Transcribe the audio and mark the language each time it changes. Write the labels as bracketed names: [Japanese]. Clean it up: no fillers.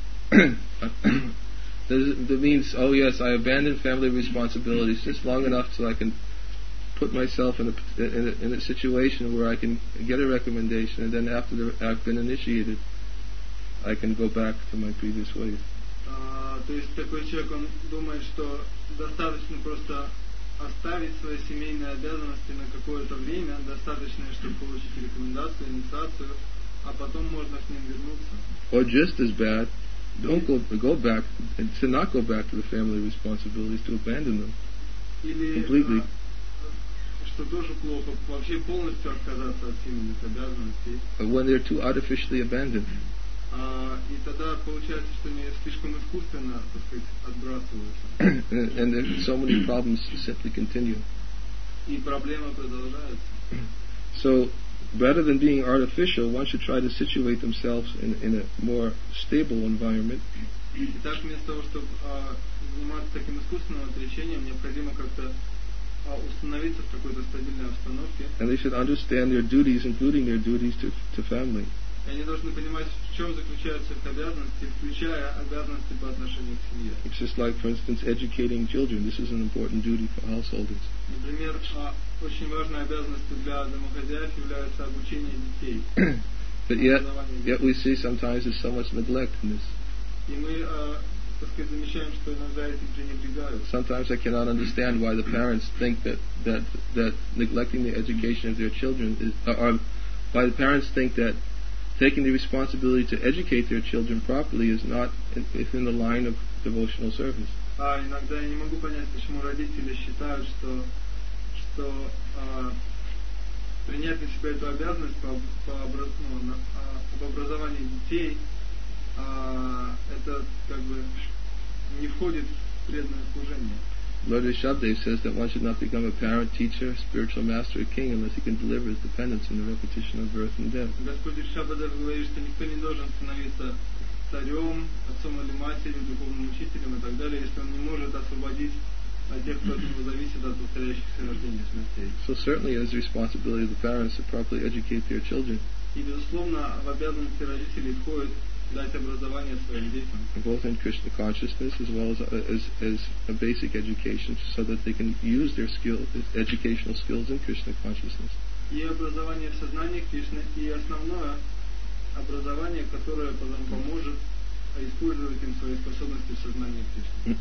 [English] That means, oh yes, I abandon family responsibilities just long enough so I can put myself in a situation where I can get a recommendation, and then after I've been initiated, I can go back to my previous ways. [Russian] То есть такой человек, он думает, что достаточно просто оставить свои семейные обязанности на какое-то время, достаточно, чтобы получить рекомендацию, инициацию, а потом можно к ним вернуться. [English] Or just as bad, to not go back to the family responsibilities, to abandon them completely. [Russian] Что тоже плохо, вообще полностью отказаться от семейных обязанностей. [English] When they're too artificially abandoned. [Russian] И тогда получается, что они слишком искусственно, так сказать, отбрасываются. [English] And there's so many problems simply continue. [Russian] И проблема продолжается. [English] So, rather than being artificial, one should try to situate themselves in a more stable environment. [Russian] И так вместо того, чтобы заниматься таким искусственным отречением, необходимо как-то установиться в какой-то стабильной обстановке. [English] And they should understand their duties, including their duties to family. [Russian] Они должны понимать, в чем заключаются их обязанности, включая обязанности по отношению к семье. [English] It's just like, for instance, educating children. This is an important duty for householders. [Russian] Например, очень важной обязанностью для домохозяев является обучение детей. [English] But yet we see sometimes there's so much neglect in this. [Russian] И мы, так сказать, замечаем, что иногда эти пренебрегают. [English] Sometimes I cannot understand why the parents think that neglecting the education of their children is, why the parents think that taking the responsibility to educate their children properly is not within the line of devotional service. [Russian] Иногда я не могу понять, почему родители считают, что принять на себя эту обязанность по образованию детей это как бы не входит в преданное служение. [English] Lord Rishabdev says that one should not become a parent, teacher, spiritual master, or king unless he can deliver his dependence in the repetition of birth and death. [Russian] Господь Ришабдев говорит, что никто не должен становиться царем, отцом или матерью, духовным учителем и так далее, если он не может освободить тех, кто от него зависит от повторяющихся рождений смертей. [English] So certainly it is the responsibility of the parents to properly educate their children. [Russian] И безусловно, в обязанности родителей входит дать образование своим детям. [English] Both in Krishna consciousness as well as a basic education so that they can use their skills, educational skills in Krishna consciousness. [Russian] И образование в сознании Кришны, и основное образование, которое потом поможет использовать им свои способности в сознании Кришны.